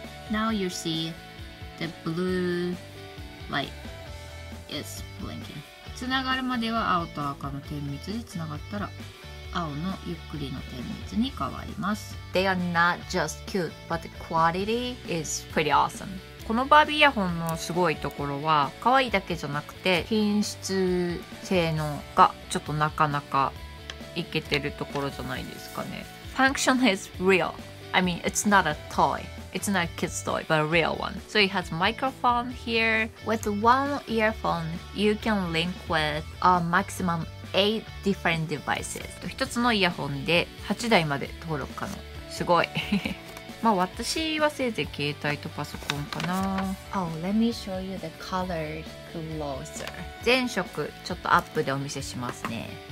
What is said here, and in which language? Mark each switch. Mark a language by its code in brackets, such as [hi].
[en] Now you see the blue light is blinking. [ja] つながるまでは青と赤の点滅でつながったら青のゆっくりの点滅に変わります。 [en] They are not just cute, but the quality is pretty awesome. [ja] このバービーイヤホンのすごいところは可愛いだけじゃなくて品質性能がちょっとなかなかいけてるところじゃないですかね。 [en] Function is real. I mean, it's not a toy. It's not a kid's toy, but a real one. So it has a microphone here. With one earphone, you can link with a maximum 8 different devices. [ja] 一つのイヤホンで8台まで登録可能。すごい。まあ私はせいぜい携帯とパソコンかな。 [en] Oh, let me show you the colors closer. [ja] 全色ちょっとアップでお見せしますね。